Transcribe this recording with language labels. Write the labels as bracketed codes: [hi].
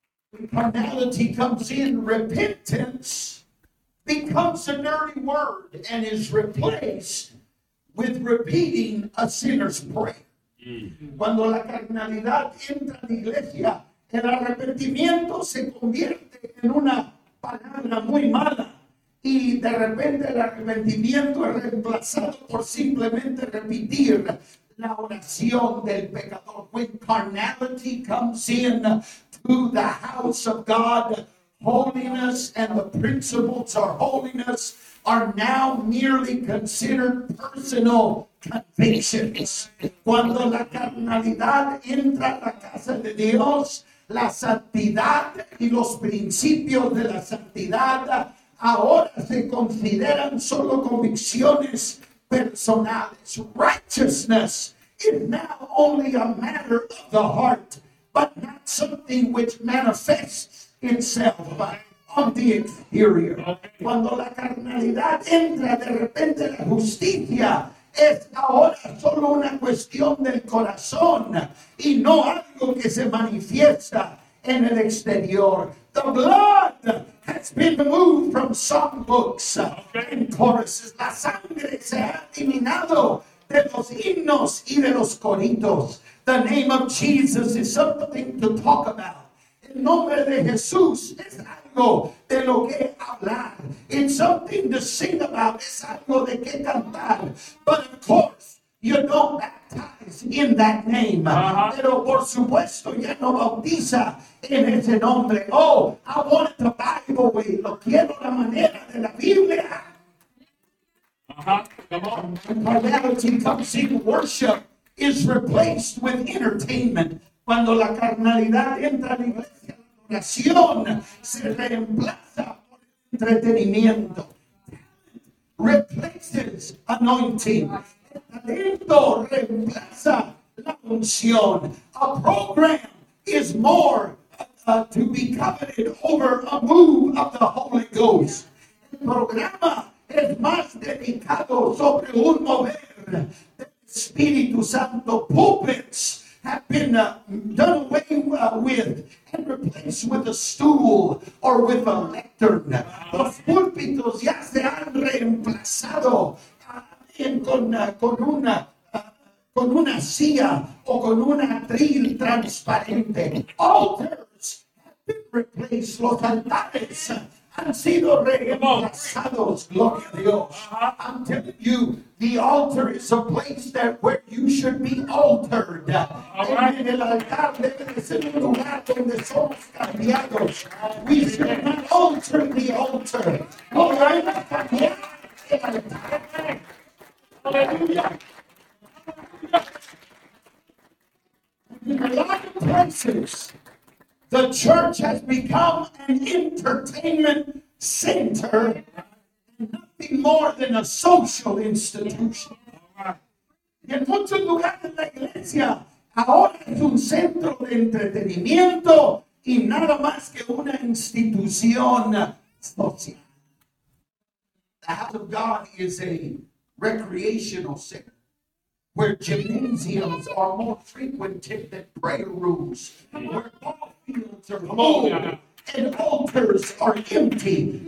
[en] When carnality comes in, repentance becomes a dirty word and is replaced with repeating a sinner's prayer. [es] Cuando la carnalidad entra en la iglesia, el arrepentimiento se convierte en una palabra muy mala. Y de repente el arrepentimiento es reemplazado por simplemente repetir la oración del pecador. [en] When carnality comes in to the house of God, holiness and the principles of holiness are now merely considered personal convictions. [es] Cuando la carnalidad entra a la casa de Dios, la santidad y los principios de la santidad ahora se consideran solo convicciones personales. [en] Righteousness is now only a matter of the heart, but not something which manifests itself on the exterior. [es] Cuando la carnalidad entra, de repente la justicia es ahora solo una cuestión del corazón y no algo que se manifiesta en el exterior. [en] The blood has been removed from songbooks and choruses. [es] La sangre se ha eliminado de los himnos y de los coritos. [en] The name of Jesus is something to talk about. [es] El nombre de Jesús es algo de lo que hablar. [en] It's something to sing about. [es] Es algo de que cantar. [en] But of course, you don't baptize in that name. [es] Pero por supuesto, ya no bautiza en ese nombre. [en] Oh, I want it the Bible way. [es] Lo quiero la manera de la Biblia. [en] Come on. When carnality comes in, worship is replaced with entertainment. [es] Cuando la carnalidad entra en la iglesia, la oración se reemplaza por entretenimiento. [en] Replaces anointing. [es] Talento reemplaza la función. [en] A program is more to be coveted over a move of the Holy Ghost. [es] El programa es más dedicado sobre un mover del Espíritu Santo. [en] Pulpits have been done away with and replaced with a stool or with a lectern. [es] Los púlpitos ya se han reemplazado con una silla o con un atril transparente. [en] Altars have been replaced. [es] Los altares han sido reemplazados. Gloria a Dios. [en] I'm telling you, the altar is a place that where you should be altered. Amen. [es] El altar debe de ser un lugar donde somos cambiados. [en] We should not alter the altar. [es] No hay que cambiar el altar. [en] Hallelujah. In a lot of places, the church has become an entertainment center, nothing more than a social institution. [es] En muchos lugares la iglesia ahora es un centro de entretenimiento y nada más que una institución social. [en] The house of God is a recreational center. where gymnasiums are more frequented than prayer rooms, where ball fields are full and altars are empty.